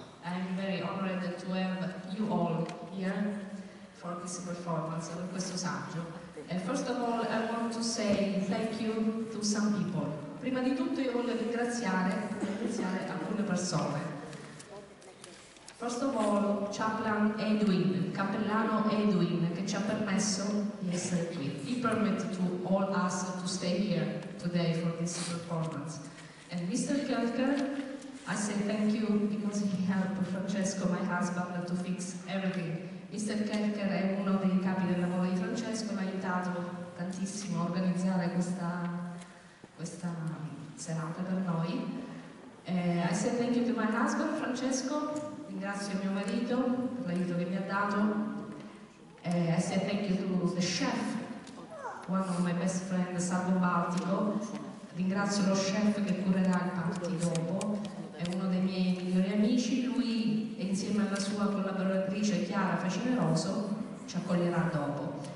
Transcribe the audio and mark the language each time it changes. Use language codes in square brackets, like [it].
[en] I'm very honored to have you all here for this performance, [it] per questo saggio. [en] First of all, I want to say thank you to some people. [it] Prima di tutto, io voglio ringraziare alcune persone. [en] First of all, [it] Chaplain Edwin, Cappellano Edwin, che ci ha permesso di essere qui. [en] He permitted to all us to stay here today for this performance. And Mr. Kelker, I say thank you because he helped Francesco, my husband, to fix everything. Mr. [it] Kelker è uno dei capi del lavoro di Francesco, mi ha aiutato tantissimo a organizzare questa serata per noi. [en] I say thank you to my husband, Francesco. [it] Ringrazio mio marito per l'aiuto che mi ha dato. [en] I say thank you to the chef, one of my best friends, Sabo Baltico. [it] Ringrazio lo chef che curerà il party dopo. È uno dei miei migliori amici. Lui, insieme alla sua collaboratrice Chiara Facineroso, ci accoglierà dopo.